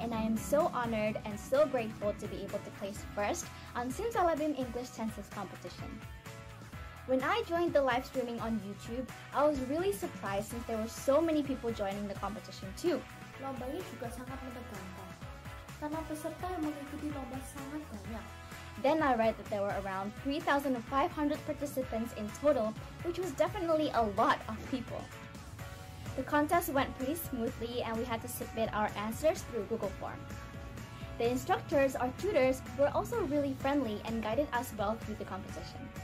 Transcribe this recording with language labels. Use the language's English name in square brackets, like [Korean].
[English] And I am so honored and so grateful to be able to place first on Simsalabim English Tonsis Competition. When I joined the live streaming on YouTube, I was really surprised since there were so many people joining the competition too. [Indonesian] Lombanya juga sangat menegangkan, karena peserta yang mengikuti lomba sangat banyak. [English] Then I read that there were around 3,500 participants in total, which was definitely a lot of people. The contest went pretty smoothly and we had to submit our answers through Google Form. The instructors, our tutors, were also really friendly and guided us well through the competition.